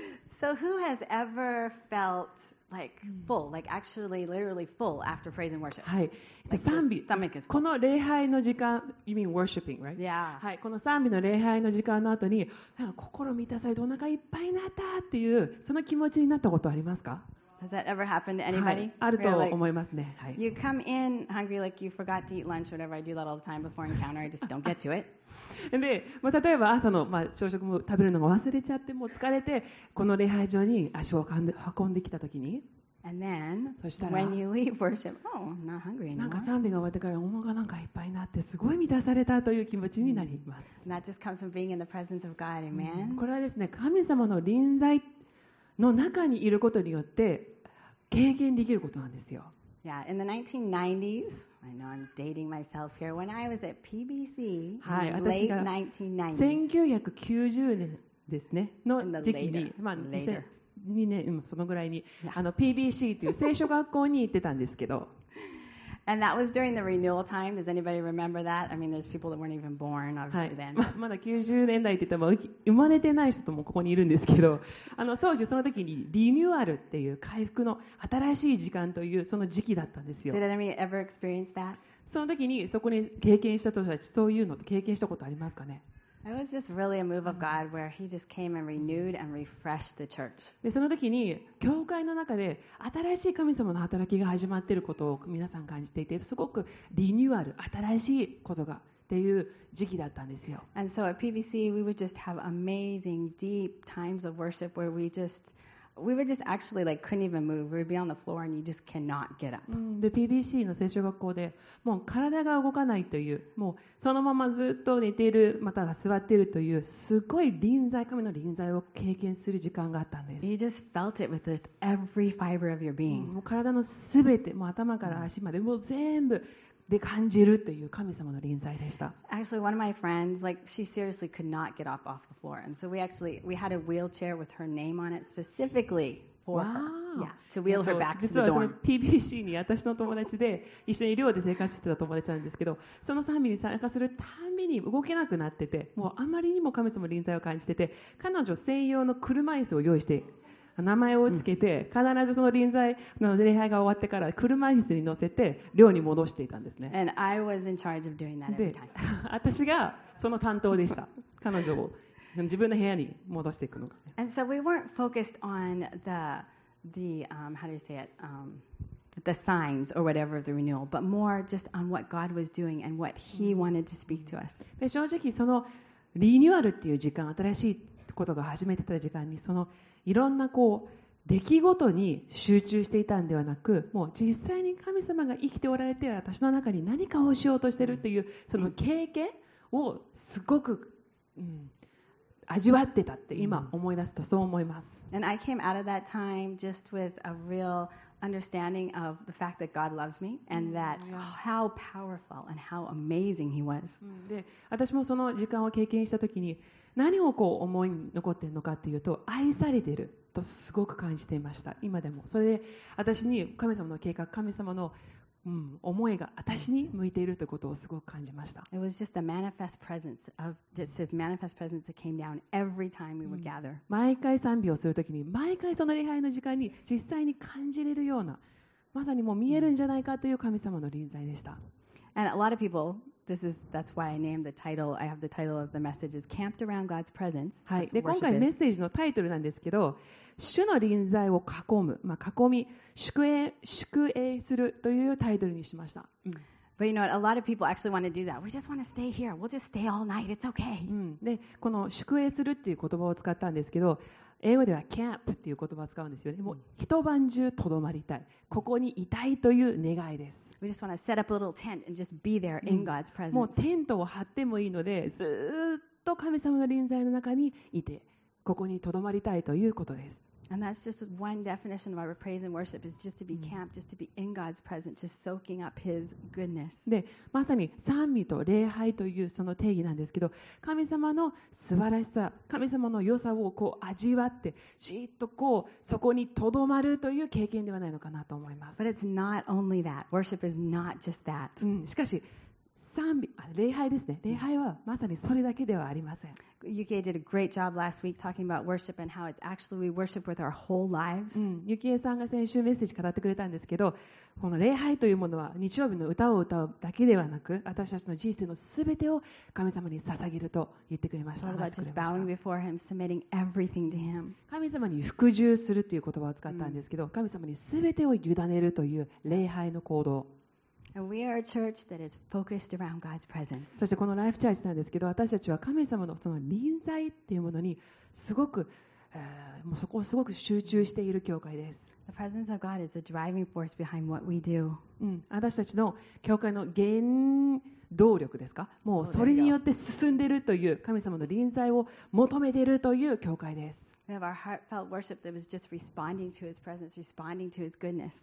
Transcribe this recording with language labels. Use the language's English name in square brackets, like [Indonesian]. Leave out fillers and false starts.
[English] So who has ever felt like full like actually literally full after praise and worship、 [Japanese] はい like、賛美 [English] stomach is full. [Japanese] この礼拝の時間 [English] You mean worshiping, right? Yeah、 [Japanese] はい、この賛美の礼拝の時間の後になんか心満たされてお腹いっぱいになったっていうその気持ちになったことありますか？ [English] Has that ever happened to anybody?、 [Japanese] はい、あると思いますね、はい、 [English] You come in hungry like you forgot to eat lunch whatever I do that all the time before encounter I just don't get to it [Japanese] で、まあ、例えば朝の、まあ、朝食も食べるのが忘れちゃってもう疲れてこの礼拝所に足を運んできたときに [English] And then, [Japanese] そしたら [English] when you leave worship, oh, not hungry anymore. [Japanese] なんか賛美が終わってからお腹がなんかいっぱいになってすごい満たされたという気持ちになります、 [English] mm-hmm. That just comes from being in the presence of God, amen? [Japanese] これはですね神様の臨在の中にいることによって経験できることなんですよ [English] Yeah, in the 1990s, I know I'm dating myself here. When I was at PBC in the late 1990s, [Japanese] 1990年ですねの時期に、まあ2002年、そのぐらいに、PBC という聖書学校に行ってたんですけど、 [English] And that was during the renewal time. Does anybody remember that? I mean, there's people that weren't even born, obviously, then. [Japanese] まだ90年代って言っても、生まれてない人もここにいるんですけど、当時その時にリニューアルっていう回復の新しい時間というその時期だったんですよ。 [English] Did anybody ever experience that? [Japanese] その時にそこに経験した人たち、そういうのって経験したことありますかね？ [English] It was just really a move of God where He just came and renewed and refreshed the church. [Japanese] でその時に教会の中で新しい神様の働きが始まっていることを皆さん感じていて、すごくリニューアル、新しいことがっていう時期だったんですよ。 [English] And so at PBC we would just have amazing deep times of worship where we would just actually like couldn't even move. We'd be on the floor and you just cannot get up. [Japanese] で PBC の聖書学校でもう体が動かないという、もうそのままずっと寝ている、または座っているというすごい臨在、神の臨在を経験する時間があったんです。 [English] You just felt it with just every fiber of your being. [Japanese] もう体のすべて、もう頭から足までもう全部で感じるという神様の臨在でした。 [English] Actually, one of my friends, like, she seriously could not get up off the floor. And so we had a wheelchair with her name on it specifically for her. Yeah, to wheel her back to the dorm. [Japanese] 実はその PBC に私の友達で一緒に寮で生活してた友達なんですけど、その賛美に参加するために動けなくなってて、もうあまりにも神様の臨在を感じてて、彼女専用の車椅子を用意して、名前をつけて、必ずその臨在の礼拝が終わってから車椅子に乗せて寮に戻していたんですね。 [English] And I was in charge of doing that every time. [Japanese] で、私がその担当でした。彼女を自分の部屋に戻していくのが。 [English] And so we weren't focused on the how do you say it? The signs or whatever of the renewal, but more just on what God was doing and what He wanted to speak to us. [Japanese] で、正直そのリニューアルっていう時間、新しいことが始めてた時間にそのいろんなこう出来事に集中していたんではなく、もう実際に神様が生きておられて私の中に何かをしようとしているというその経験をすごく、味わってたって今思い出すとそう思います。 [English] And I came out of that time just with a real understanding of the fact that God loves me and that how powerful and how amazing He was. [Japanese] で、私もその時間を経験したときに。何をこう思いに残っているのかというと愛されているとすごく感じていました。今でもそれで私に神様の計画、神様の、思いが私に向いているということをすごく感じました。 [English] It was just the manifest presence of just His manifest presence that came down every time we would gather. [Japanese] 毎回賛美をするときに、毎回その礼拝の時間に実際に感じれるようなまさにもう見えるんじゃないかという神様の臨在でした。 [English] And a lot of people. That's why I named the title. I have the title of the message is Camped Around God's Presence. [Japanese] はい。で、今回メッセージのタイトルなんですけど、主の臨在を囲む、まあ、囲み、宿営するというタイトルにしました。 [English] But you know what? A lot of people actually want to do that. We just want to stay here. We'll just stay all night. It's okay. [Japanese] で、この宿営するっていう言葉を使ったんですけど、英語ではキャンプっていう言葉を使うんですよね。もう一晩中とどまりたい、ここにいたいという願いです。 [English] We just want to set up a little tent and just be there in God's presence. [Japanese] もうテントを張ってもいいので、ずっと神様の臨在の中にいて、ここにとどまりたいということです。 [English] And that's just one definition of our praise and worship is just to be camped, just to be in God's presence, just soaking up His goodness. [Japanese] で、まさに賛美と礼拝というその定義なんですけど、神様の素晴らしさ、神様の良さをこう味わって、じっとこうそこにとどまるという経験ではないのかなと思います。 [English] But it's not only that. Worship is not just that. [Japanese] しかし、賛美、礼拝ですね。礼拝はまさにそれだけではありません。 [English] UK did a great job last week talking about worship and how it's actually we worship with our whole lives. [Japanese] UK さんが先週メッセージ語ってくれたんですけど、この礼拝というものは日曜日の歌を歌うだけではなく、私たちの人生のすべてを神様に捧げると言ってくれました。 [English] What about just bowing before Him, submitting everything to Him? [Japanese] 神様に服従するという言葉を使ったんですけど、神様にすべてを委ねるという礼拝の行動。 [English] We are a church that is focused around God's presence. [Japanese] そしてこのライフチャージなんですけど、私たちは神様のその臨在っていうものにすごく、もうそこをすごく集中している教会です。 [English] The presence of God is a driving force behind what we do. [Japanese] 私たちの教会の原動力ですか？もうそれによって進んでいるという神様の臨在を求めているという教会です。 [English] We have our heartfelt worship that was just responding to His presence, responding to His goodness.